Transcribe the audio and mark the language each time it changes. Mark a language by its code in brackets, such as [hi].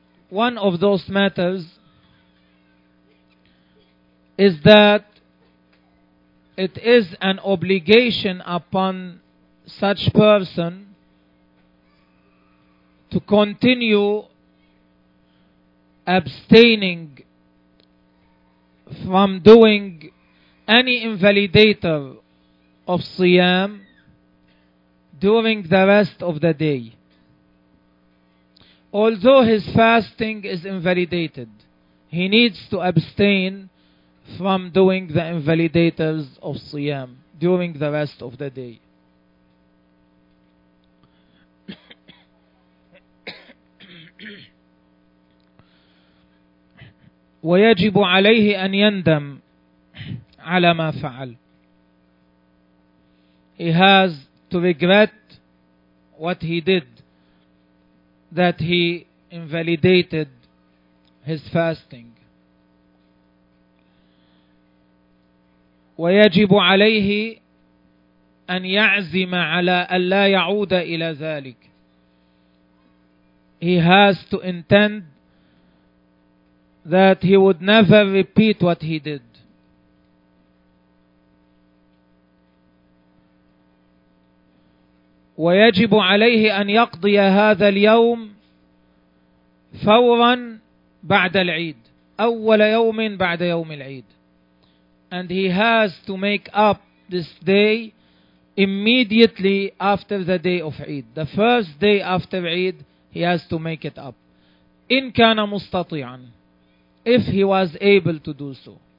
[en] One of those matters is that it is an obligation upon such person to continue abstaining from doing any invalidator of Siyam during the rest of the day. Although his fasting is invalidated, he needs to abstain from doing the invalidators of Siyam during the rest of the day. [ar] ويجب عليه أن يندم على ما فعل. [en] He has to regret what he did, that he invalidated his fasting. [ar] ويجب عليه أن يعزم على أن لا يعود إلى ذلك. [en] He has to intend that he would never repeat what he did. [ar] ويجب عليه أن يقضي هذا اليوم فورا بعد العيد, أول يوم بعد يوم العيد. [en] And he has to make up this day immediately after the day of Eid. The first day after Eid, he has to make it up. [ar] إن كان مستطيعا, [en] if he was able to do so.